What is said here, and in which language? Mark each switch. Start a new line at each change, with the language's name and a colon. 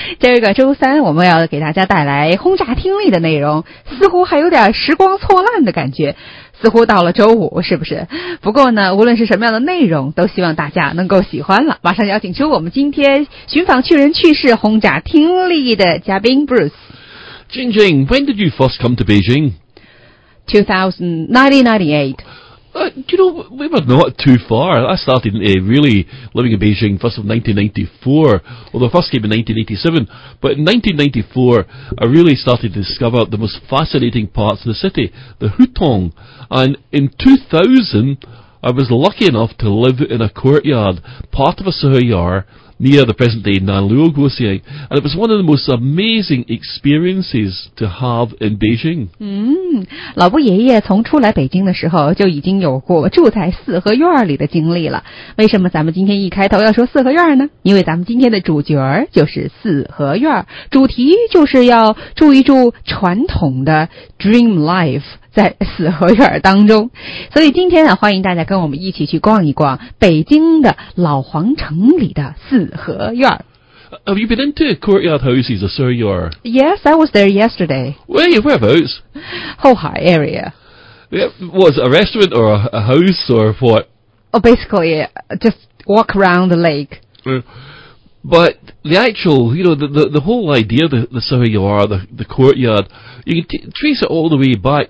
Chinese: 这个周三我们要给大家带来轰炸听力的内容，似乎还有点时光错乱的感觉，似乎到了周五，是不是？不过呢，无论是什么样的内容，都希望大家能够喜欢了。马上邀请出我们今天寻访趣人趣事轰炸听力的嘉宾 Bruce。
English: Jingjing, when did you first come to Beijing? 1998. You know, we were not too far. I started really living in Beijing first of 1994, although first came in 1987. But in 1994, I really started to discover the most fascinating parts of the city, the Hutong. And in 2000, I was lucky enough to live in a courtyard, part of a suhyar, near the present-day Nanluo Guoxiang. And it was one of the most amazing experiences to have in Beijing.
Chinese: 老布爷爷从出来北京的时候就已经有过住在四合院里的经历了。为什么咱们今天一开头要说四合院呢？因为咱们今天的主角就是四合院，主题就是要住一住传统的
English: dream life。
Chinese: 在四合院当中，所以今天啊，欢迎大家跟我们一起去逛一逛北京的老皇城里的四合院。
English: Have you been into courtyard houses, a suhyar? Yes, I was there yesterday. Whereabouts? Hou Hai area. Was it a restaurant or a house or what? Oh, basically, just walk around the lake. But the actual, you know, the whole idea of the suhyar, the courtyard, you can trace it all the way back.